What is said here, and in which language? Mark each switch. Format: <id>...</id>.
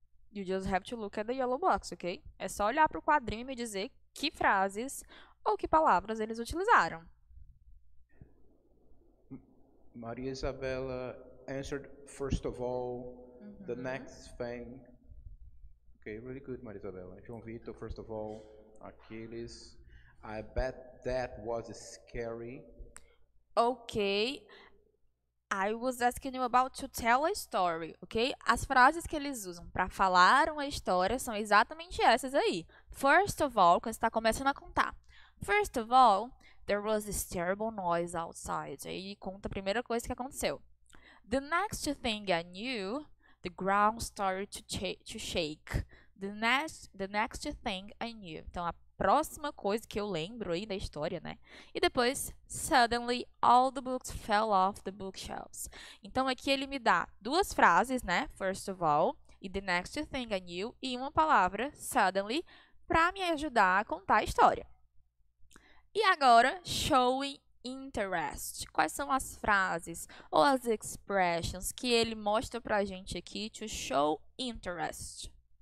<en>You just have to look at the yellow box, ok?</en> <pt>É só olhar pro quadrinho e me dizer que frases ou que palavras eles utilizaram.</pt> <en>Maria Isabella answered first of all the next thing. Okay, really good, Maria Isabella. João Vitor, first of all, Achilles. I bet that was scary. Okay, I was asking you about to tell a story, okay?</en> <pt>As frases que eles usam para falar uma história são exatamente essas aí.</pt> <en>First of all,</en> <pt>quando você está começando a contar.</pt> <en>First of all, there was this terrible noise outside.</en> <pt>Aí conta a primeira coisa que aconteceu.</pt> <en>The next thing I knew, the ground started to shake. The next thing I knew.</en> <pt>Então, a próxima coisa que eu lembro aí da história, né? E depois,</pt> <en>suddenly all the books fell off the bookshelves.</en> <pt>Então aqui ele me dá duas frases, né?</pt> <en>First of all,</en> <pt>e</pt> <en>the next thing I knew,</en> <pt>e uma palavra, suddenly, para me ajudar a contar a história. E agora, showing interest. Quais são as frases ou as expressions que ele mostra pra gente aqui</pt> <en>to show interest?</en>